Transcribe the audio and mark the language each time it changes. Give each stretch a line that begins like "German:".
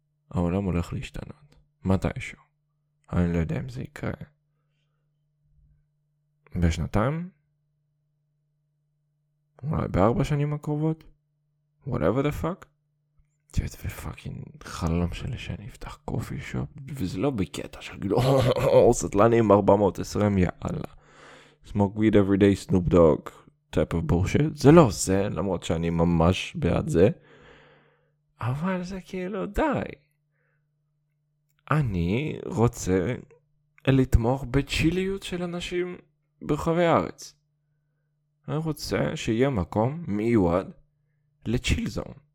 Hebrew: העולם הולך להשתנות. מתישהו. אני לא יודע אם זה יקרה. בשנתיים? אולי בארבע שנים הקרובות?
English: Whatever the fuck?
Hebrew: זה איזה פאקינג חלום שלי שאני אפתח קופי שופ. וזה לא בקטע של גילו. סטלנים 420, יאללה.
English: Smoke weed every day, Snoop Dogg type of bullshit.
Hebrew: זה לא זה, למרות שאני ממש בעד זה. אבל זה כאילו די. אני רוצה לתמוך בצ'יליות של אנשים ברחבי הארץ. אני רוצה שיהיה מקום מיועד לצ'יל זון.